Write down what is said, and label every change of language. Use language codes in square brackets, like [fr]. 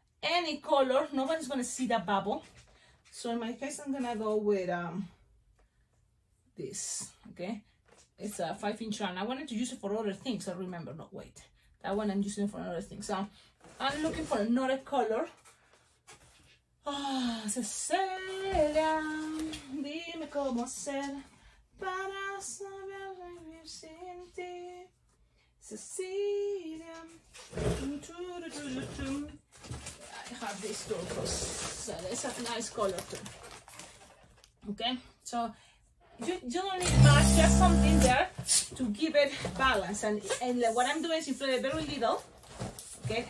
[en] Any color, nobody's gonna see that bubble. So in my case, I'm gonna go with this, okay? It's a 5-inch one. I wanted to use it for other things, I remember, not wait. That one I'm using for other things. So I'm looking for another color. [es] Oh, Cecilia, dime cómo ser para saber vivir sin ti. [en] Cecilia, I have this too, because it's a nice color too. Okay, so you don't need much, just something there to give it balance. And what I'm doing is inflate it very little, okay?